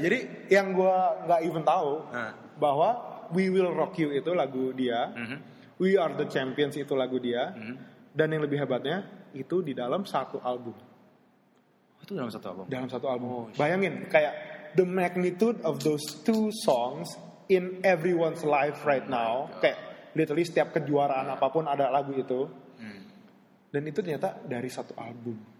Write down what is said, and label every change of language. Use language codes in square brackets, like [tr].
[id] Jadi yang gue nggak even tahu bahwa We Will Rock You itu lagu dia, We Are the Champions itu lagu dia, dan yang lebih hebatnya itu di dalam satu album. Itu dalam satu album. Dalam satu album. [en] Oh, [id] bayangin kayak [en] the magnitude of those two songs in everyone's life right now. [id] Kayak literally setiap kejuaraan apapun ada lagu itu. Dan itu ternyata dari satu album.